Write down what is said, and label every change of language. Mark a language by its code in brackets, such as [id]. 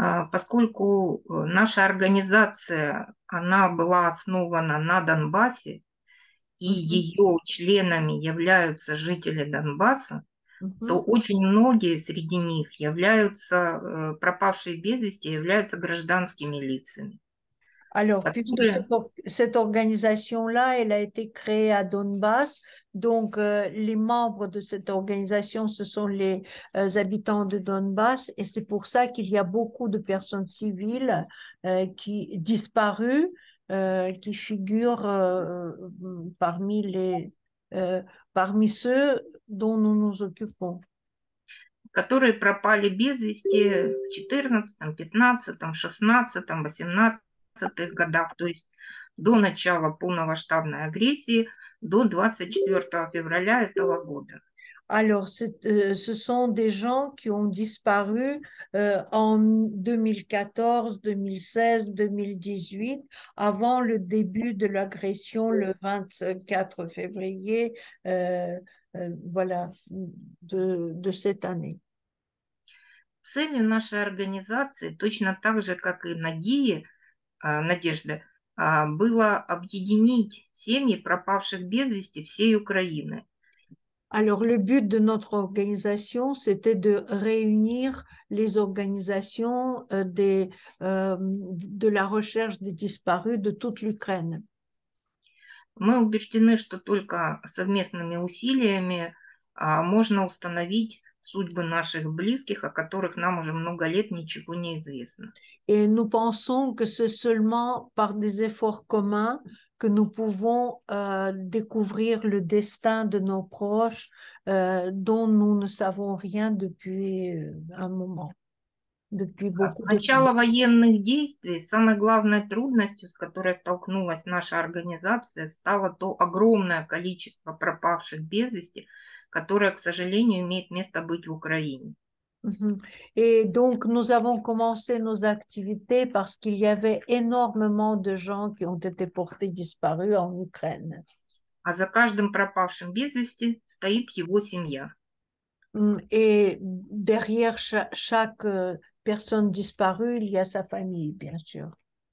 [ru] Поскольку наша организация, она была основана на Донбассе, и ее членами являются жители Донбасса, то очень многие среди них являются пропавшие без вести, являются гражданскими лицами. [fr] Alors, puisque [ru] Откуда? [fr] cette organisation-là, elle a été créée à Donbass, donc les membres de cette organisation, ce sont les habitants de Donbass, et c'est pour ça qu'il y a beaucoup de personnes civiles qui disparues, qui figurent parmi ceux dont nous nous occupons. [ru] Которые пропали без вести в 14, 15, 16, 18 годах, то есть до начала полномасштабной агрессии, до 24 февраля этого года. [fr] Alors, ce sont des gens qui ont disparu en 2014, 2016, 2018, avant le début de l'agression le 24 février, voilà, de cette année. [ru] Целью нашей организации, точно так же, как и Надежды, было объединить семьи пропавших без вести всей Украины. [fr] Alors, le but de notre organisation, c'était de réunir les organisations de la recherche des disparus de toute l'Ukraine. [ru] Мы убеждены, что только совместными усилиями можно установить судьбы наших близких, о которых нам уже много лет ничего не известно. [fr] Et nous pensons que c'est seulement par des efforts communs que nous pouvons découvrir le destin de nos proches dont nous ne savons rien depuis un moment, depuis [ru] С [fr] beaucoup de [ru] начала [fr] temps. [ru] военных действий самой главной трудностью, с которой столкнулась наша организация, стало то огромное количество пропавших без вести, которая, к сожалению, имеет место быть в Украине. [fr] Et donc, nous avons commencé nos activités parce qu'il y avait énormément de gens qui ont été portés disparus en Ukraine. [ru] А за каждым пропавшим без вести стоит его семья. [fr] Et derrière chaque personne disparue, il y a sa famille, bien sûr.